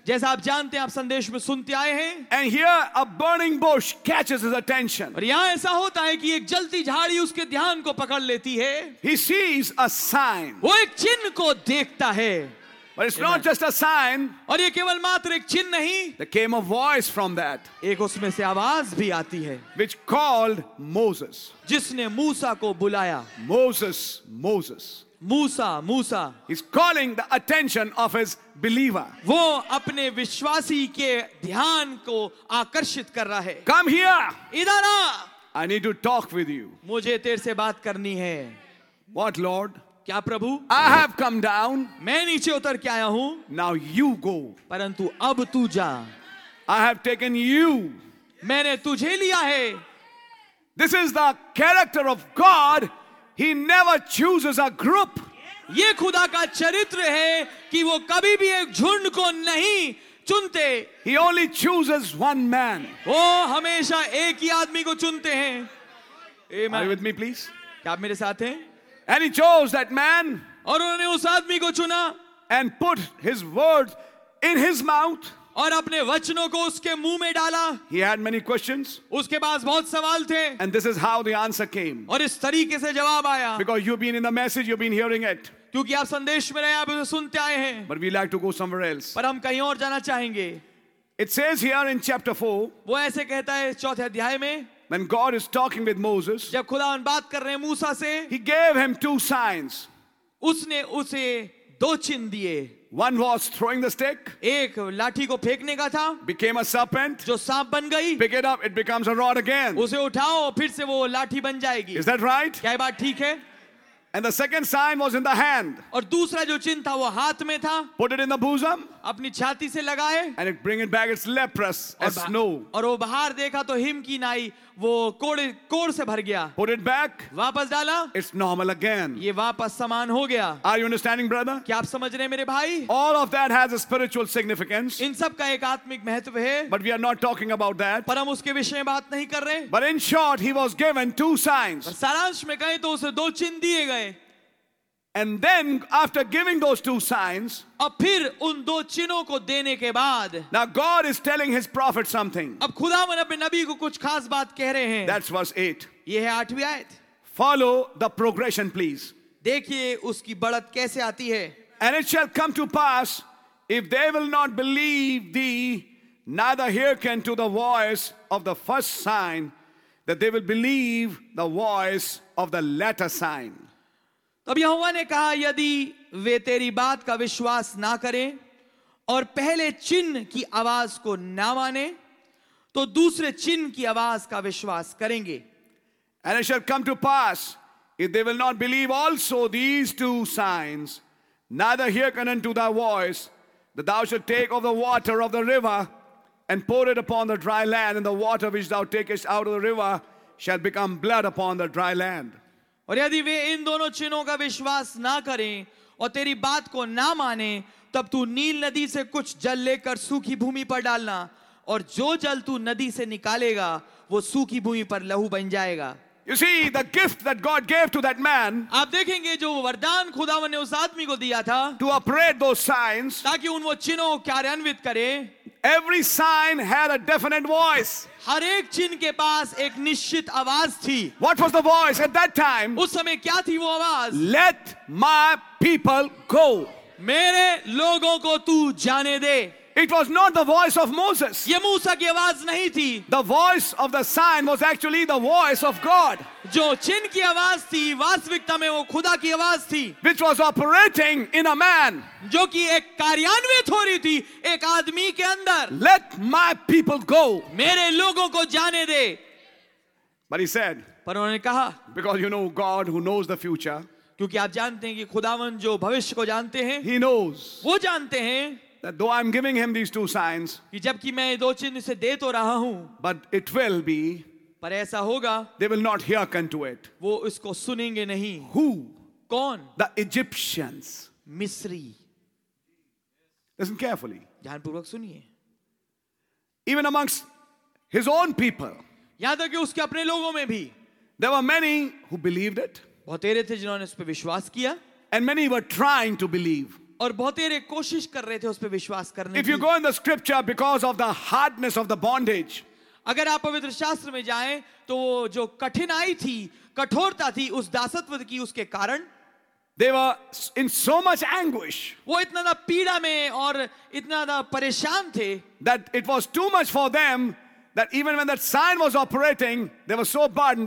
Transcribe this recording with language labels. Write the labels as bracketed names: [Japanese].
[Hindi] जैसा आप जानते हैं, आप संदेश में सुनते आए हैं. [English] And here a burning bush catches his attention. [Hindi] और यहाँ ऐसा होता है कि एक जलती झाड़ी उसके ध्यान को पकड़ लेती है. [English] He sees a sign. [Hindi] वो एक चिन्ह को देखता है. [English] But it's not just a sign. [Hindi] और ये केवल मात्र एक चिन्ह नहीं. [English] There came a voice from that. [Hindi] एक उसमें से आवाज भी आती है. [English] Which called Moses. [Hindi] जिसने मूसा को बुलाया. [English] Moses, Moses. [Hindi] Musa Musa. [English] He's calling the attention of his believer. [Hindi] वो अपने विश्वासी के ध्यान को आकर्षित कर रहा है. [English] Come here. [Hindi] इधर आ. [English] I need to talk with you. [Hindi] मुझे तेरे से बात करनी है. [English] What Lord? [Hindi] क्या प्रभु? [English] I have come down. [Hindi] मैं नीचे उतर के आया हूं. [English] Now you go. [Hindi] परंतु अब तू जा. [English] I have taken you. [Hindi] मैंने तुझे लिया है. [English] This is the character of God. He never chooses a group. [Hindi] ये खुदा का चरित्र है कि वो कभी भी एक झुंड को नहीं चुनते. [English] He only chooses one man. [Hindi] वो हमेशा एक ही आदमी को चुनते हैं. [English] Amen. Are you with me, please? [Hindi] क्या आप मेरे साथ हैं? [English] And he chose that man. [Hindi] और उन्होंने उस आदमी को चुना. [English] And put his words in his mouth. [Hindi] और अपने वचनों को उसके मुंह में डाला. [English] He had many questions. [Hindi] उसके पास बहुत सवाल थे. [English] And this is how the answer came. [Hindi] और इस तरीके से जवाब आया. [English] Because you've been in the message, you've been hearing it. [Hindi] क्योंकि आप संदेश में रहे, आप उसे सुनते आए हैं. [English] But we like to go somewhere else. [Hindi] पर हम कहीं और जाना चाहेंगे. [English] It says here in chapter 4. [Hindi] वो ऐसे कहता है चौथे अध्याय में. [English] When God is talking with Moses, [Hindi] जब खुदावन बात कर रहे हैं मूसा से, [English] He gave him two signs. [Hindi] उसने उसे दो चिन्ह दिए. [English] One was throwing the stick. [Hindi] एक लाठी को फेंकने का था. [English] Became a serpent. [Hindi] जो सांप बन गई. [English] Pick it up, it becomes a rod again. [Hindi] उसे उठाओ, फिर से वो लाठी बन जाएगी. [English] Is that right? [Hindi] क्या बात ठीक है? [English] And the second sign was in the hand. [Hindi] और दूसरा जो चिन्ह था वो हाथ में था. [English] Put it in the bosom. [Hindi] अपनी छाती से लगाए. [English] And it bring it back, it's leprous as snow. [Hindi] और वो बाहर देखा तो हिम की नाई वो कोड़ से भर गया. [English] Put it back. [Hindi] वापस डाला. [English] It's normal again. [Hindi] ये वापस समान हो गया. [English] Are you understanding, brother? [Hindi] क्या आप समझ रहे हैं मेरे भाई? [English] All of that has a spiritual significance. [Hindi] इन सब का एक आत्मिक महत्व है. [English] But we are not talking about that. [Hindi] पर हम उसके विषय में बात नहीं कर रहे. [English] But in short, he was given two signs. [Hindi] सारांश में कहें तो उसे दो चिन्ह दिए गए. [English] And then, after giving those two signs, [Hindi] अब फिर उन दो चिन्हों को देने के बाद, [English] now God is telling His prophet something. [Hindi] अब खुदावन अपने नबी को कुछ खास बात कह रहे हैं. [English] That's verse 8. [Hindi] ये है आठवीं आयत. [English] Follow the progression, please. [Hindi] देखिए उसकी बढ़त कैसे आती है. [English] And it shall come to pass if they will not believe thee, neither hearken to the voice of the first sign, that they will believe the voice of the latter sign. [Hindi] तब यहोवा ने कहा यदि वे तेरी बात का विश्वास ना करें और पहले चिन्ह की आवाज को ना माने तो दूसरे चिन्ह की आवाज का विश्वास करेंगे. [English] And it shall come to pass if they will not believe also these two signs, neither hearken unto thy voice, that thou shalt take of the water of the river and pour it upon the dry land, and the water which thou takest out of the river shall become blood upon the dry land. [Hindi] और यदि वे इन दोनों चिन्हों का विश्वास ना करें और तेरी बात को ना माने तब तू नील नदी से कुछ जल लेकर सूखी भूमि पर डालना और जो जल तू नदी से निकालेगा वो सूखी भूमि पर लहू बन जाएगा. [English] You see, the gift that God gave to that man. [Hindi] आप देखेंगे जो वरदान खुदावन ने उस आदमी को दिया था. [English] To operate those signs. [Hindi] ताकि उन वो चिन्हों को कार्यान्वित करें. [English] Every sign had a definite voice. [Hindi] हर एक चिन्ह के पास एक निश्चित आवाज थी. [English] What was the voice at that time? [Hindi] उस समय क्या थी वो आवाज? [English] Let my people go. [Hindi] मेरे लोगों को तू जाने दे. [English] It was not the voice of Moses. [Hindi] ये मूसा की आवाज नहीं थी. [English] The voice of the sign was actually the voice of God. [Hindi] जो चिन्ह की आवाज थी वास्तविकता में वो खुदा की आवाज थी. [English] Which was operating in a man. [Hindi] जो कि एक कार्यान्वित हो रही थी एक आदमी के अंदर. [English] Let my people go. [Hindi] मेरे लोगों को जाने दे. [English] But he said. [Hindi] पर उन्होंने कहा. [English] Because you know God who knows the future. [Hindi] क्योंकि आप जानते हैं कि खुदावन जो भविष्य को जानते हैं, [English] He knows. [Hindi] वो जानते हैं. [English] That though I'm giving him these two signs, [Hindi] कि जबकि मैं दो चिन्ह से दे तो रहा हूं, [English] but it will be. [Hindi] पर ऐसा होगा. [English] They will not hearken to it. [Hindi] वो इसको सुनेंगे नहीं. [English] Who? [Hindi] कौन? [English] The Egyptians. [Hindi] मिस्री. [English] Listen carefully. [Hindi] ध्यानपूर्वक सुनिए. [English] Even amongst his own people. [Hindi] यहां तक कि उसके अपने लोगों में भी. [English] There were many who believed it. [Hindi] बहुतेरे थे जिन्होंने उस पर विश्वास किया. [English] And many were trying to believe. [Hindi] और बहुतेरे कोशिश कर रहे थे उस पर विश्वास करने की. [English] If you go in the scripture because of the hardness of the bondage. [Hindi] अगर आप पवित्र शास्त्र में जाएं तो जो कठिनाई थी, कठोरता थी उस दासत्व की, उसके कारण. [English] They were in so much anguish. [Hindi] वो इतना ना पीड़ा में और इतना ना परेशान थे. [English] That it was too much for them. That even when that sign was operating, they were so burdened.